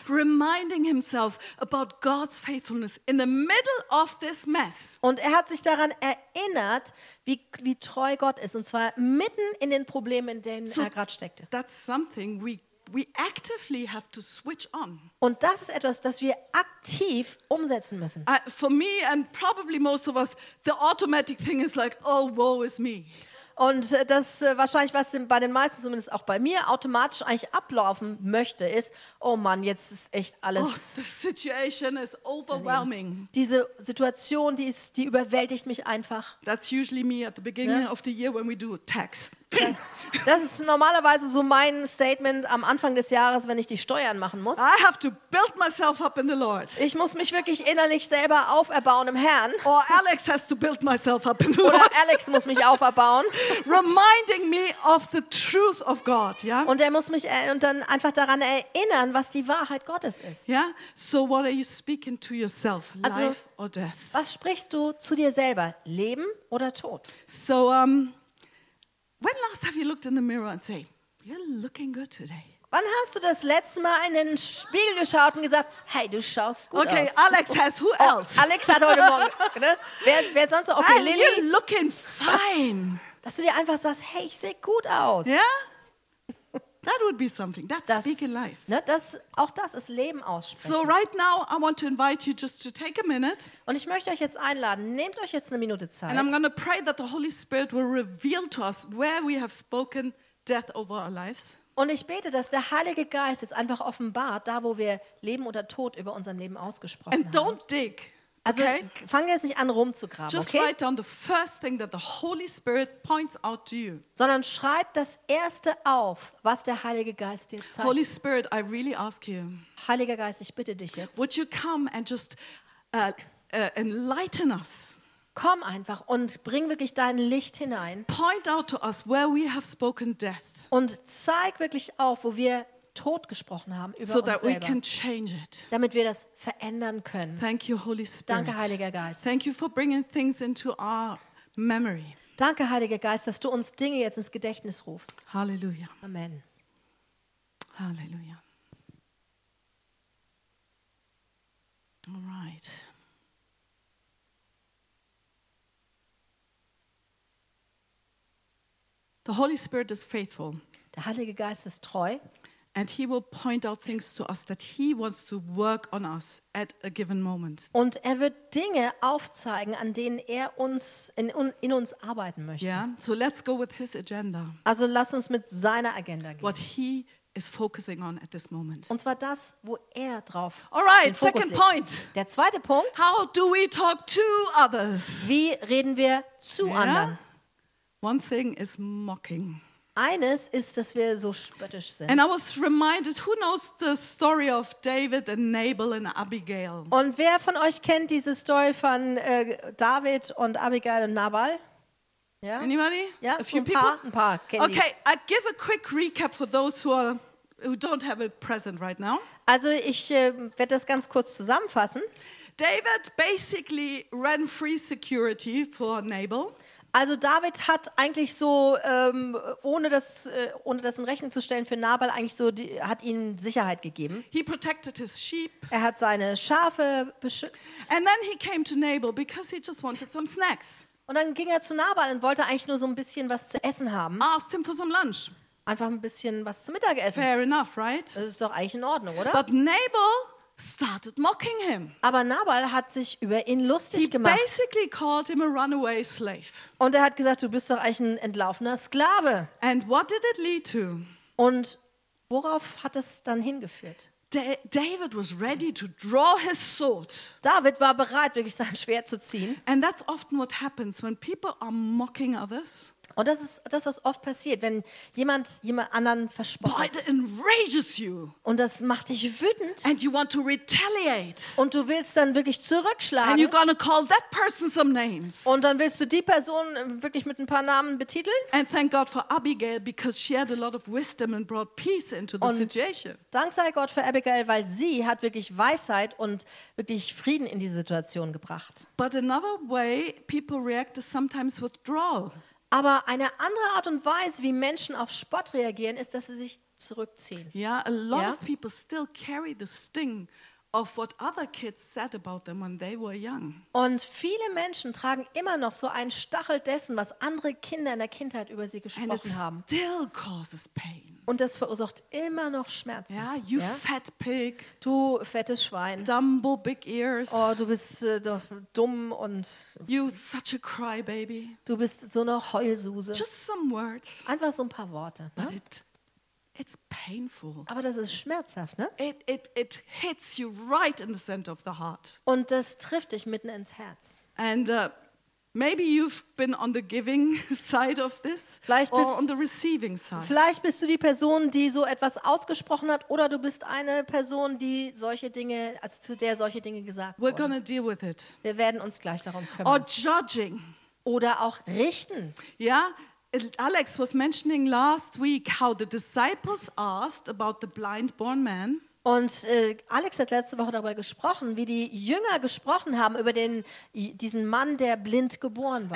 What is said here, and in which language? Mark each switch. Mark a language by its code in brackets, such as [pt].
[en] Reminding himself about God's faithfulness in the middle of this mess. [de] Und er hat sich daran erinnert, wie treu Gott ist, und zwar mitten in den Problemen, in denen so er gerade steckte. [en] That's something we actively have to switch on. [de] Und das ist etwas, das wir aktiv umsetzen müssen. [en] For me and probably most of us, the automatic thing is like, oh, woe is me. [de] Und das wahrscheinlich, was bei den meisten, zumindest auch bei mir, automatisch eigentlich ablaufen möchte, ist, oh Mann, jetzt ist echt alles. [en] Oh, the situation is overwhelming. [de] Diese Situation, die überwältigt mich einfach. [en] That's usually me at the beginning of the year when we do tax. [de] Das ist normalerweise so mein Statement am Anfang des Jahres, wenn ich die Steuern machen muss. [en] I have to build myself up in the Lord. [de] Ich muss mich wirklich innerlich selber auferbauen im Herrn. [en] Or Alex has to build myself up in the [de] Oder [en] Lord. [de] Alex muss mich auferbauen. [en] Reminding me of the truth of God, yeah? [de] Und er muss mich und dann einfach daran erinnern, was die Wahrheit Gottes ist. [en] Yeah? So what are you speaking to yourself, [de] also, [en] life or death? [de] Was sprichst du zu dir selber, Leben oder Tod? [en] So when last have you looked in the mirror and say, you're looking good today? [de] Wann hast du das letzte Mal in den Spiegel geschaut und gesagt, hey, du schaust gut [en] okay, [de] aus? [en] Okay, Alex has, who else? [de] Oh, Alex hat heute Morgen, ne? Wer sonst noch? Okay, Lilly. [en] You're looking fine. [de] Dass du dir einfach sagst, hey, ich sehe gut aus. Ja? [en] Yeah? That would be something. That's speaking life. [de] Ne, das, auch das ist Leben aussprechen. [en] So right now I want to invite you just to take a minute. [de] Und ich möchte euch jetzt einladen. Nehmt euch jetzt eine Minute Zeit. [en] And I'm going to pray that the Holy Spirit will reveal to us where we have spoken death over our lives. [de] Und ich bete, dass der Heilige Geist jetzt einfach offenbart, da wo wir Leben oder Tod über unserem Leben ausgesprochen [en] and [de] haben. [en] And don't dig. [de] Also [en] okay? [de] Fang jetzt nicht an rumzugraben, [en] just okay? Just write down the first thing that the Holy Spirit points out to you. [de] Sondern schreib das erste auf, was der Heilige Geist dir zeigt. [en] Holy Spirit, I really ask you. [de] Heiliger Geist, ich bitte dich jetzt. [en] Would you come and just enlighten us? [de] Komm einfach und bring wirklich dein Licht hinein. [en] Point out to us where we have spoken death. [de] Und zeig wirklich auf, wo wir Tod gesprochen haben über [en] so [de] uns [en] that [de] selber, [en] we can change it. [de] Damit wir das verändern können. [en] Thank you, Holy Spirit. [de] Danke, Heiliger Geist. [en] Thank you for bringing things into our memory. [de] Danke, Heiliger Geist, dass du uns Dinge jetzt ins Gedächtnis rufst. Halleluja. Amen. Halleluja. [en] All right. The Holy Spirit is faithful. [de] Der Heilige Geist ist treu. [en] And he will point out things to us that he wants to work on us at a given moment. [de] Und er wird Dinge aufzeigen, an denen er uns in uns arbeiten möchte. [en] Yeah, so let's go with his agenda. [de] Also lass uns mit seiner Agenda gehen. [en] What he is focusing on at this moment. [de] Und zwar das, wo er drauf. [en] All right, [de] den Fokus [en] second [de] legt. [en] Point. [de] Der zweite Punkt. [en] How do we talk to others? [de] Wie reden wir zu anderen? [en] One thing is mocking. [de] Eines ist, dass wir so spöttisch sind. [en] And I was reminded, who knows the story of David and Nabal and Abigail? [de] Und wer von euch kennt diese Story von David und Abigail und Nabal? [en] Yeah? Anybody? Yeah, a few people? [de] Ein paar kennen [en] okay, [de] die. [en] I give a quick recap for those who don't have it present right now. [de] Also ich werde das ganz kurz zusammenfassen. [en] David basically ran free security for Nabal. [de] Also David hat eigentlich so, ohne das in Rechnung zu stellen für Nabal, eigentlich so, hat ihm Sicherheit gegeben. [en] He protected his sheep. [de] Er hat seine Schafe beschützt. [en] And then he came to Nabal because he just wanted some snacks. [de] Und dann ging er zu Nabal und wollte eigentlich nur so ein bisschen was zu essen haben. [en] Asked him for some lunch. [de] Einfach ein bisschen was zum Mittagessen. [en] Fair enough, right? [de] Das ist doch eigentlich in Ordnung, oder? [en] But Nabal started mocking him. [de] Aber Nabal hat sich über ihn lustig gemacht. [en] He basically called him a runaway slave. [de] Und er hat gesagt, du bist doch eigentlich ein entlaufener Sklave. [en] And what did it lead to? [de] Und worauf hat es dann hingeführt? [en] David was ready to draw his sword. [de] David war bereit, wirklich sein Schwert zu ziehen. [en] And that's often what happens when people are mocking others. [de] Und das ist das, was oft passiert, wenn jemand anderen verspottet. [en] But it enrages you. [de] Und das macht dich wütend. [en] And you want to retaliate. [de] Und du willst dann wirklich zurückschlagen. [en] And you're gonna call that person some names. [de] Und dann willst du die Person wirklich mit ein paar Namen betiteln. [en] And thank God for Abigail because she had a lot of wisdom and brought peace into the situation. [de] Dank sei Gott für Abigail, weil sie hat wirklich Weisheit und wirklich Frieden in diese Situation gebracht. [en] But another way people react is sometimes withdrawal. [de] Aber eine andere Art und Weise, wie Menschen auf Spott reagieren, ist, dass sie sich zurückziehen. [en] Yeah, a lot of people still carry the sting of what other kids said about them when they were young. [de] Und viele Menschen tragen immer noch so einen Stachel dessen, was andere Kinder in der Kindheit über sie gesprochen haben. [en] And it still causes pain. [de] Und das verursacht immer noch Schmerzen. [en] Yeah, you fat pig. [de] Du fettes Schwein. [en] Dumbo big ears. [de] Oh, du bist doch dumm und [en] you such a crybaby. [de] Du bist so eine Heulsuse. [en] Just some words. [de] Einfach so ein paar Worte, ne? [en] But it's painful. [de] Aber das ist schmerzhaft, ne? [en] It hits you right in the center of the heart. [de] Und das trifft dich mitten ins Herz. [en] And maybe you've been on the giving side of this or on the receiving side. [de] Vielleicht bist du die Person, die so etwas ausgesprochen hat, oder du bist eine Person, die solche Dinge, also zu der solche Dinge gesagt wurden. [en] We're gonna deal with it. [de] Wir werden uns gleich darum kümmern. [en] Or judging. [de] Oder auch richten. Ja. [en] Alex was mentioning last week how the disciples asked about the blind born man. [de] Und Alex hat letzte Woche darüber gesprochen, wie die Jünger gesprochen haben über diesen Mann, der blind geboren war.